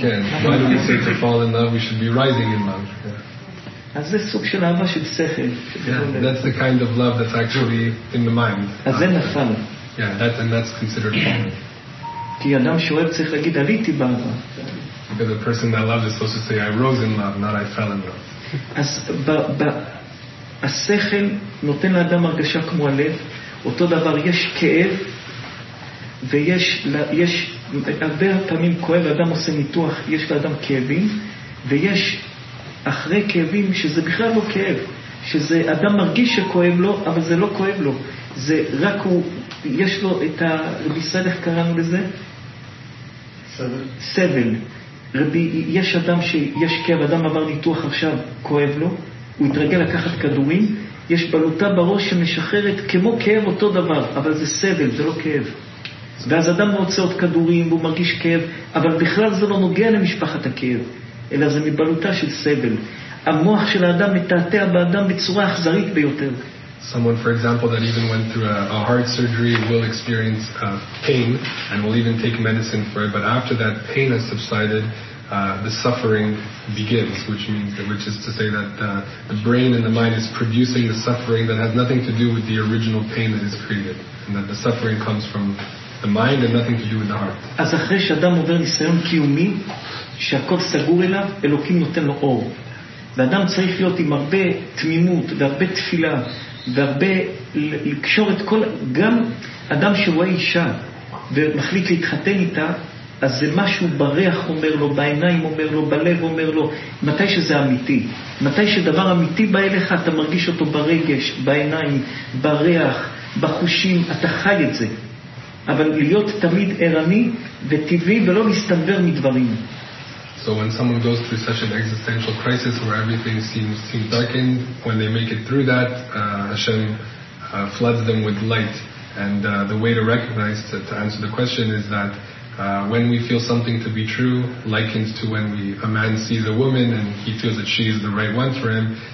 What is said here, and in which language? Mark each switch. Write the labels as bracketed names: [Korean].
[English] כן, why do we say to fall in love? We should be rising in love. [Hebrew] אז זה סוג של אהבה של שכל. [English] That's the kind of love that's actually in the mind. [Hebrew] אז זה נפל. [English] Yeah, that's considered falling. [Hebrew] כי אדם שאוהב צריך להגיד עליתי באהבה. [English] Because a person that loves is supposed to say I rose in love, not I fell in love. [Hebrew] אז השכל נותן לאדם הרגשה כמו הלב. אותו דבר, יש כאב ויש הרבה פעמים כואב, אדם עושה ניתוח, יש לאדם כאבים, ויש אחרי כאבים שזה בכלל לא כאב, שזה אדם מרגיש שכואב לו, אבל זה לא כואב לו, זה רק הוא יש לו את הרביסד, איך קראנו לזה? סבל. רבי, יש אדם שיש כאב, אדם עבר ניתוח עכשיו, כואב לו, הוא התרגל לקחת כדורים, יש בלוטה בראש שמשחררת כמו כאב אותו דבר, אבל זה סבל, זה לא כאב. ואז אדם רוצה עוד כדורים והוא מרגיש כאב, אבל בכלל זה לא נוגע למשפחת הכאב, אלא זה מבלוטה של סבל. המוח של האדם מתעתע באדם בצורה אכזרית ביותר. [English] Someone, for example, that even went through a heart surgery will experience pain and will even take medicine for it. But after that pain has subsided, the suffering begins, which is to say that the brain and the mind is producing the suffering that has nothing to do with the original pain that is created. And that the suffering comes from the mind and nothing to do with the heart. [Hebrew] אז אחרי שאדם עובר ניסיון קיומי, שהכל סגור אליו, אלוקים נותן לו אור. ואדם צריך להיות עם הרבה תמימות והרבה תפילה, והרבה לקשור את כל, גם אדם שרואה אישה ומחליט להתחתן איתה, אז זה משהו בריח אומר לו, בעיניים אומר לו, בלב אומר לו, מתי שזה אמיתי, מתי שדבר אמיתי בא אליך, אתה מרגיש אותו ברגש, בעיניים, בריח, בחושים, אתה חי את זה. אבל להיות תמיד ערני וטבעי ולא להסתנבר מדברים. [English] So when someone goes through such an existential crisis where everything seems darkened, when they make it through that, Hashem floods them with light. And the way to recognize, to answer the question, is that when we feel something to be true, likens to when a man sees a woman and he feels that she is the right one for him,